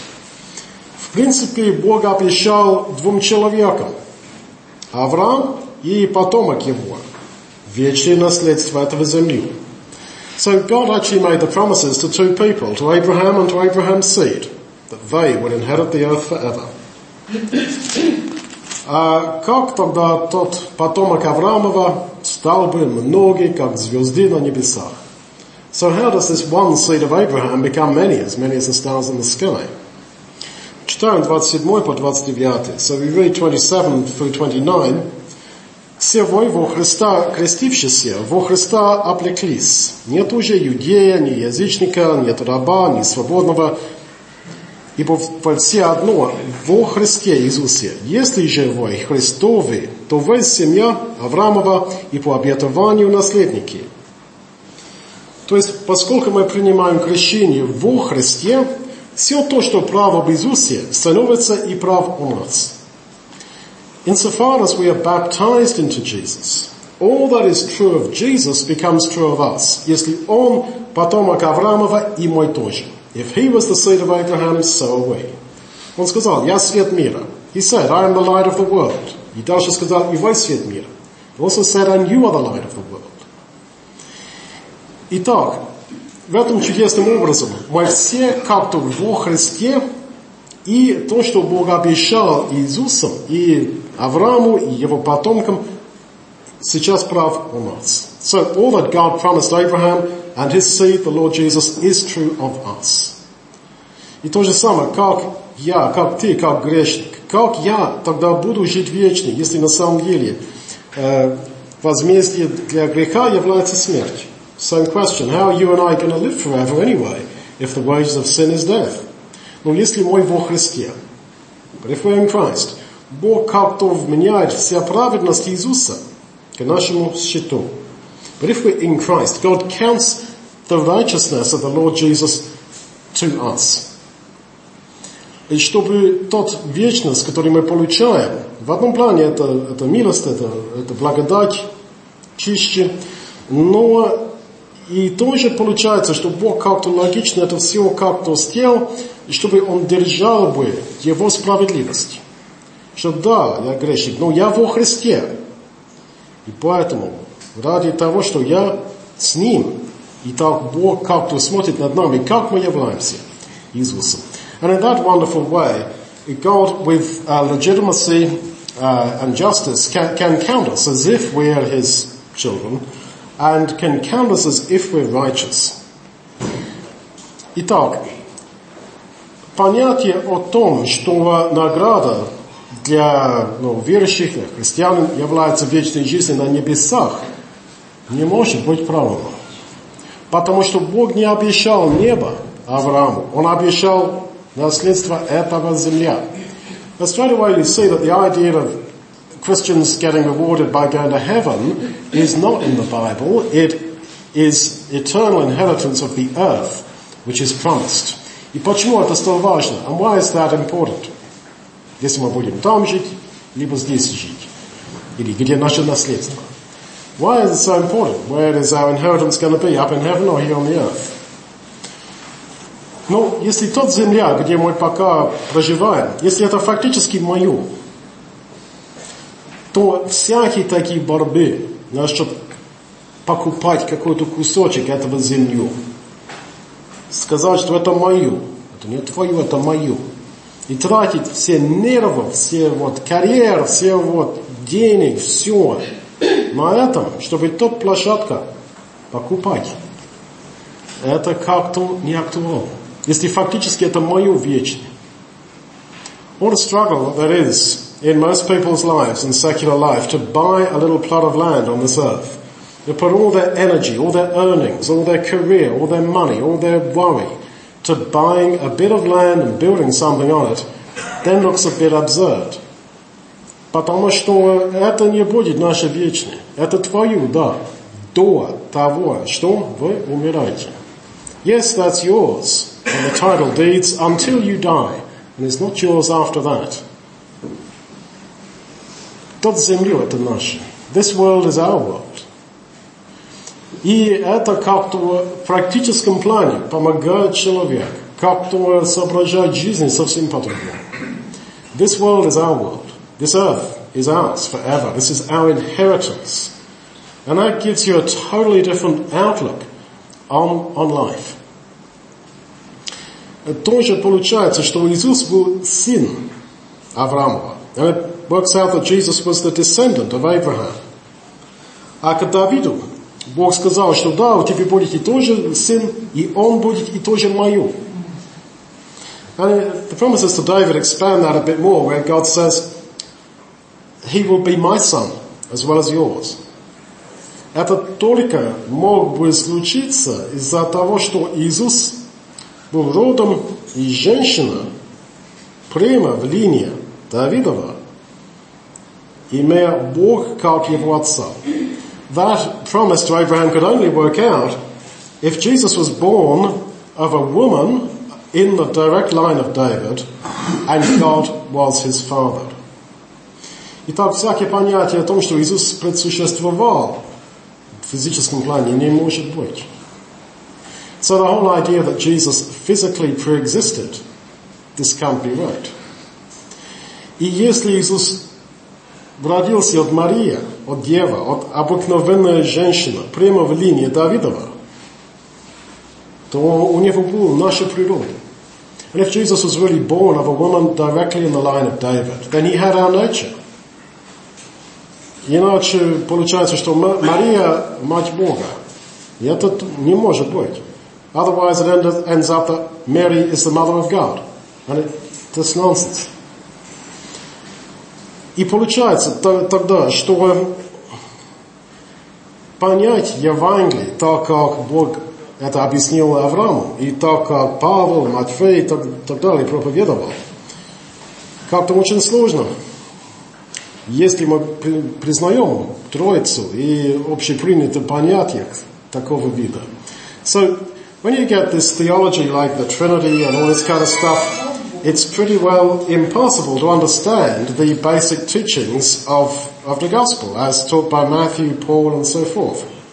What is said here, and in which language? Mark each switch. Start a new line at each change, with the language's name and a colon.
Russian: В принципе, Бог обещал двум человекам, Авраам и потомок его. Вечное наследство этого земли.
English: So God actually made the promises to two people, to Abraham and to Abraham's seed, that they would inherit the earth forever.
Russian: Как тогда тот потомок Авраамова стал бы многи, как звезды на небесах?
English: So how does this one seed of Abraham become many as the stars in the sky?
Russian: Читаем 27 по 29.
English: So we read 27 through 29.
Russian: Все вы во Христа крестившиеся, во Христа облеклись. Нет уже иудея, ни язычника, нет раба, ни свободного, ибо во все одно во Христе Иисусе. Если же вы Христовы, то вы семья Авраамова и по обетованию наследники. То есть, поскольку мы принимаем крещение во Христе, все то, что право в Иисусе, становится и прав у нас.
English: Insofar as we are baptized into Jesus, all that is true of Jesus becomes true of us.
Russian: Если он потомок Авраамова, и мой тоже.
English: If he was the seed of Abraham, so are we.
Russian: Он сказал, я свет мира.
English: He said, I am the light of the world.
Russian: И дальше сказал, и вы свет мира.
English: He also said, and you are the light of the world.
Russian: Итак, в этом чудесным образом мы все как-то во Христе, и то, что Бог обещал Иисусом и Аврааму, и его потомкам, сейчас прав у нас.
English: So all that God promised Abraham and his seed, the Lord Jesus, is true of us.
Russian: И то же самое, как я, как ты, как грешник, как я тогда буду жить вечно, если на самом деле возмездие для греха является смерть.
English: Same question, how are you and I going to live forever anyway, if the wages of sin is death?
Russian: Но если мы во Христе,
English: but if we're in Christ,
Russian: Бог как-то вменяет вся праведность Иисуса к нашему счету.
English: But if we're in Christ, God counts the righteousness of the Lord Jesus to us.
Russian: И чтобы тот вечность, который мы получаем, в одном плане это милость, это благодать, чище, но и тоже получается, что Бог как-то логично это все как-то сделал, и чтобы он держал бы его справедливость. Что да, я грешник, но я во Христе. И поэтому, ради того, что я с ним, и так Бог как-то смотрит над нами, как мы являемся Иисусом.
English: And in that wonderful way, God with legitimacy and justice can count us as if we are his children, and can count us as if we're righteous.
Russian: Итак, понятие о том, что награда для верующих, для христиан является вечной жизнью на небесах, не может быть правильным. Потому что Бог не обещал небо Аврааму, он обещал наследство этого земля.
English: Now straight away you see that the idea of Christians getting rewarded by going to heaven is not in the Bible. It is eternal inheritance of the earth, which is promised.
Russian: И почему это столь важно?
English: And why is that important?
Russian: Если мы будем там жить, либо здесь жить. Или где наше наследство.
English: Why is it so important? Where is our inheritance going to be? Up in heaven or here on the earth?
Russian: Но если тот земля, где мы пока проживаем, если это фактически мое, то всякие такие борьбы, чтобы покупать какой-то кусочек этого земли, сказать, что это мое, это не твое, это мое, и тратить все нервы, все вот карьеры, все вот денег, все на этом, чтобы тот площадка покупать, это как-то не актуально. Если фактически это мое вечное.
English: What a struggle there is in most people's lives, in secular life, to buy a little plot of land on this earth. To put all their energy, all their earnings, all their career, all their money, all their worry, to buying a bit of land and building something on it, then looks a bit absurd.
Russian: Потому что это не будет наше вечное. Это твое, да. До того, что вы умираете.
English: Yes, that's yours. And the title deeds until you die, and it's not yours after that.
Russian: Тот землю это наше.
English: This world is our world.
Russian: И это как-то в практическом плане помогает человек, как-то соображает жизнь совсем по-другому.
English: This world is our world. This earth is ours forever. This is our inheritance. And that gives you a totally different outlook on life.
Russian: Тоже получается, что Иисус был сын Авраамова.
English: And it works out that Jesus was the descendant of Abraham.
Russian: А к Давиду Бог сказал, что да, у тебя будет и тоже сын, и он будет и тоже мою.
English: And the promises to David expand that a bit more, where God says, he will be my son, as well as yours.
Russian: Это только мог бы случиться из-за того, что Иисус был родом и женщина прямо в линии Давидова, имея Бог как его отца.
English: That promise to Abraham could only work out if Jesus was born of a woman in the direct line of David and God was his father.
Russian: И там всякое понятие о том, что Иисус предсуществовал в физическом плане, не может быть.
English: So the whole idea that Jesus physically pre-existed, this can't be right.
Russian: И если Иисус родился от Марии, от Девы, от обыкновенной женщины, прямо в линии Давидова, то у него была наша природа.
English: And if Jesus was really born of a woman directly in the line of David, then he had our nature.
Russian: Иначе получается, что Мария – мать Бога. И это не может быть.
English: Otherwise, it ends up that Mary is the mother of God. And that's nonsense.
Russian: И получается тогда, что понять Евангелие так, как Бог это объяснил Аврааму, и так, как Павел, Матфей и так далее проповедовал, как-то очень сложно. Если мы признаем Троицу и общепринято понятие такого вида.
English: So, when you get this theology like the Trinity and all this kind of stuff, it's pretty well impossible to understand the basic teachings of the Gospel, as taught by Matthew, Paul, and so forth.